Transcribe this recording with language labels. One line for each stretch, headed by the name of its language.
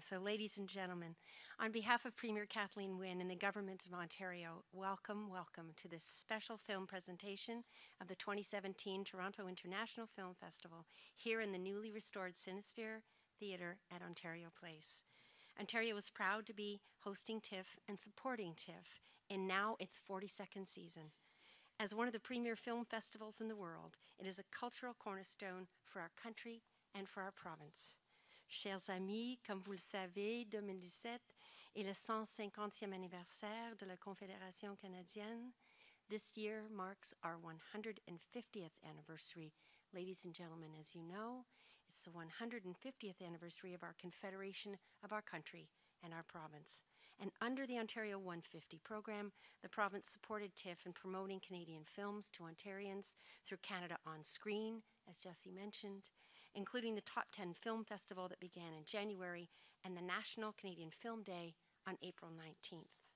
English: So ladies and gentlemen, on behalf of Premier Kathleen Wynne and the Government of Ontario, welcome, welcome to this special film presentation of the 2017 Toronto International Film Festival here in the newly restored Cinesphere Theatre at Ontario Place. Ontario is proud to be hosting TIFF and supporting TIFF in now its 42nd season. As one of the premier film festivals in the world, it is a cultural cornerstone for our country and for our province.
French: Chers amis, comme vous le savez, 2017 est le 150e anniversaire de la Confédération canadienne.
English: This year marks our 150th anniversary. Ladies and gentlemen, as you know, it's the 150th anniversary of our Confederation of our country and our province. And under the Ontario 150 program, the province supported TIFF in promoting Canadian films to Ontarians through Canada On Screen, as Jesse mentioned, including the Top 10 Film Festival that began in January and the National Canadian Film Day on April 19th.